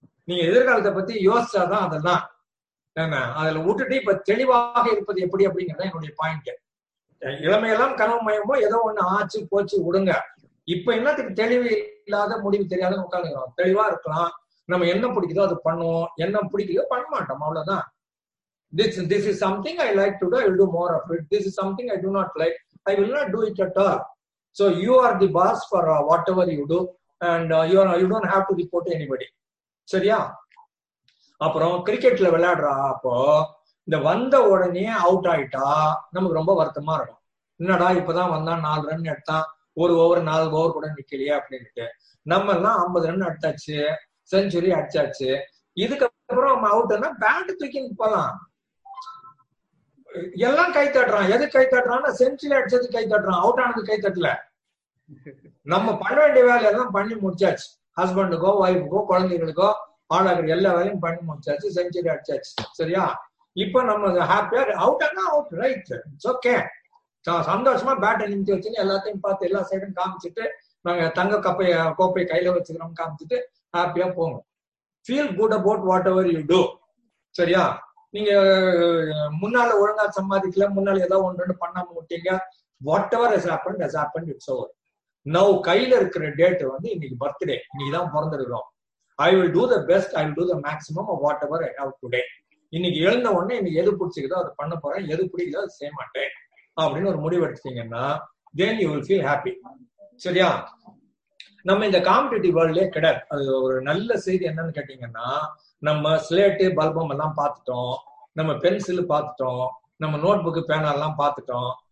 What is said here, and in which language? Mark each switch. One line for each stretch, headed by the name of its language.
Tamil: நீங்க எதிர்காலத்தை பத்தி யோசிச்சாதான் அதெல்லாம் அதுல விட்டுட்டு இப்ப தெளிவாக இருப்பது எப்படி அப்படிங்கறத என்னுடைய பாயிண்ட். இளமையெல்லாம் கனவு மயமோ ஏதோ ஒண்ணு ஆச்சு போச்சு விடுங்க. இப்ப என்னத்துக்கு தெளிவு இல்லாத முடிவு தெரியாதுன்னு உட்காந்துக்கோ, தெளிவா இருக்கலாம், நம்ம என்ன பிடிக்குதோ அது பண்ணுவோம், என்ன பிடிக்கலோ பண்ண மாட்டோம், அவ்வளவுதான்.
English: This is something I like to do, I will do more of it. This is something I do not like, I will not do it at all. So you are the boss for whatever you do, and you don't have to report to anybody.
Tamil: சரியா? அப்புறம் கிரிக்கெட்ல விளையாடுறா, அப்போ இந்த வந்த உடனே out ஆயிட்டா நமக்கு ரொம்ப வருத்தமா இருக்கும், என்னடா இப்பதான் வந்தான் 4 ரன் எடுத்தான், 1 ஓவர் 4 ஓவர் கூட நிக்கலையே அப்படின்ட்டு. நம்ம எல்லாம் 50 ரன் அடிச்சாச்சு, செஞ்சுரி அடிச்சாச்சு, இதுக்கப்புறம் நம்ம அவுட்னா பேண்ட் தூக்கி நிப்பலாம், எல்லாம் கை தட்டுறான். எது கை தட்டுறான்னா, செஞ்சுரி அடிச்சது கை தட்டுறான், அவுட் ஆனது கை தட்டல. நம்ம பண்ண வேண்டிய வேலை எல்லாம் பண்ணி முடிச்சாச்சு, ஹஸ்பண்டுக்கோ ஒய்ஃபுக்கோ குழந்தைகளுக்கோ ஆளாகிற எல்லா வேலையும் பண்ணி முடிச்சாச்சு, செஞ்சுரி அடிச்சாச்சு சரியா. இப்ப நம்ம ஹாப்பியா அவுட் ஆனா
English: out right, it's okay,
Tamil: சந்தோஷமா பேட்டை நிமித்தி வச்சுன்னு எல்லாத்தையும் பார்த்து எல்லா சைடும் காமிச்சுட்டு நாங்க தங்க கப்பைய கோப்பை கையில வச்சுக்கிறோம் காமிச்சுட்டு ஹாப்பியா போகணும்.
English: feel good about whatever you do
Tamil: சரியா. நீங்க முன்னால ஒழுங்கா சம்பாதிக்கல, முன்னால ஏதோ ஒன்று பண்ணாம விட்டீங்க,
English: Whatever has happened has happened, it's over now.
Tamil: கையில இருக்கிற டேட் வந்து இன்னைக்கு பர்த்டே, இன்னைக்கு தான் பிறந்திருக்கிறோம்.
English: I will do the best, I will do the maximum of whatever I have today.
Tamil: இன்னைக்கு எழுந்த உடனே இங்க எது பிடிச்சிக்கிதோ அதை பண்ண போறேன், எது பிடிக்குதோ அதை செய்ய மாட்டேன் அப்படின்னு ஒரு முடிவு எடுத்தீங்கன்னா,
English: then you will feel happy.
Tamil: சரியா? நம்ம இந்த காம்படிட்டிவ் வேர்ல்டே கிடையாது. அது ஒரு நல்ல செய்தி என்னன்னு கேட்டீங்கன்னா, நம்ம ஸ்லேட்டு பல்பம் எல்லாம் பார்த்துட்டோம், நம்ம பென்சில் பார்த்துட்டோம், நம்ம நோட்புக்கு பேனா எல்லாம் பார்த்துட்டோம்,